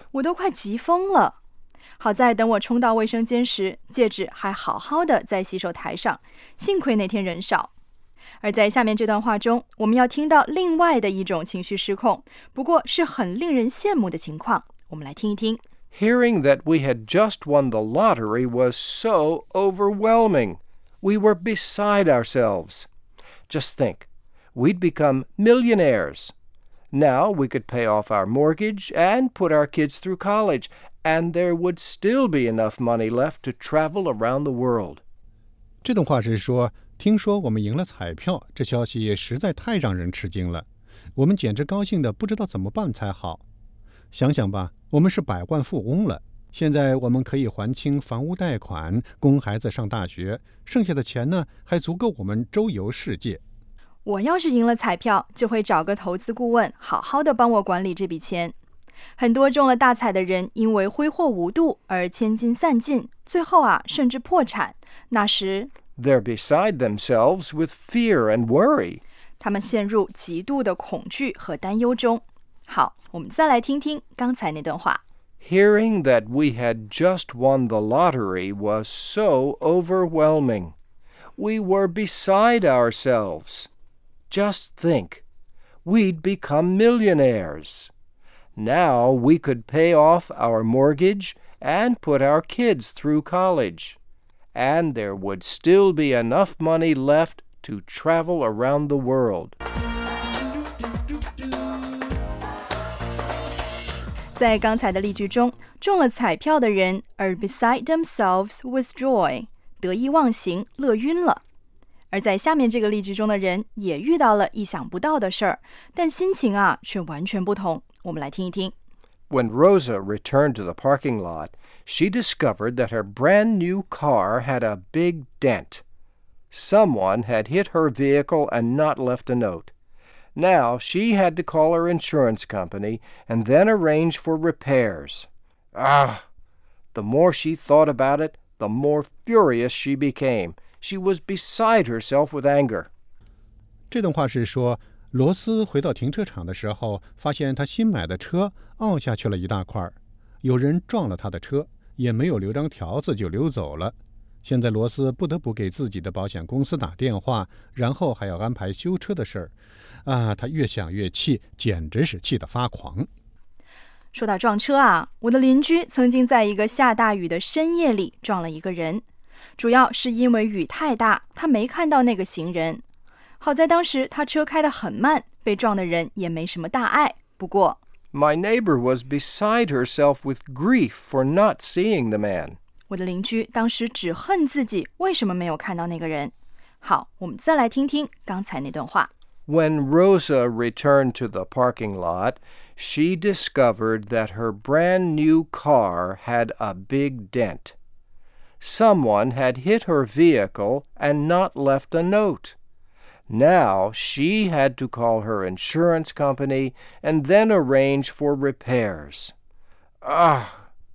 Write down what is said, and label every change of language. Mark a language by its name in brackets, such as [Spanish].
[Chinese] 我都快急疯了。好在等我冲到卫生间时，戒指还好好的在洗手台上，幸亏那天人少。而在下面这段话中，我们要听到另外的一种情绪失控，不过是很令人羡慕的情况。我们来听一听。 [English] Hearing that we had just won the lottery was so overwhelming. We were beside ourselves. Just think, we'd become millionaires. Now we could pay off our mortgage and put our kids through college, and there would still be enough money left to travel around the world. [Chinese] 这段话是说听说我们赢了彩票，这消息也实在太让人吃惊了。我们简直高兴的不知道怎么办才好。想想吧，我们是百万富翁了。现在我们可以还清房屋贷款，供孩子上大学，剩下的钱呢，还足够我们周游世界。我要是赢了彩票，就会找个投资顾问，好好的帮我管理这笔钱。很多中了大彩的人因为挥霍无度而千金散尽，最后啊，甚至破产。那时 [English] They're beside themselves with fear and worry. [Chinese] 他们陷入极度的恐惧和担忧中。好，我们再来听听刚才那段话。 [English] Hearing that we had just won the lottery was so overwhelming. We were beside ourselves. Just think, we'd become millionaires. Now we could pay off our mortgage and put our kids through college. And there would still be enough money left to travel around the world. [Chinese] 在刚才的例句中，中了彩票的人 [English] are beside themselves with joy， [Chinese] 得意忘形，乐晕了。而在下面这个例句中的人也遇到了意想不到的事儿，但心情啊却完全不同。我们来听一听。 [English] When Rosa returned to the parking lot, she discovered that her brand new car had a big dent. Someone had hit her vehicle and not left a note. Now, she had to call her insurance company and then arrange for repairs. Ah! The more she thought about it, the more furious she became. She was beside herself with anger. [Chinese] 这段话是说，罗斯回到停车场的时候，发现他新买的车凹下去了一大块。有人撞了他的车，也没有留张条子就溜走了。现在罗斯不得不给自己的保险公司打电话，然后还要安排修车的事儿。啊，他越想越气，简直是气得发狂。说到撞车啊，我的邻居曾经在一个下大雨的深夜里撞了一个人，主要是因为雨太大，他没看到那个行人。好在当时他车开得很慢，被撞的人也没什么大碍。不过 [English] ，My neighbor was beside herself with grief for not seeing the man。 [Chinese] 我的邻居当时只恨自己为什么没有看到那个人。好，我们再来听听刚才那段话。 [English] When Rosa returned to the parking lot, she discovered that her brand new car had a big dent. Someone had hit her vehicle and not left a note. Now she had to call her insurance company and then arrange for repairs. Ah!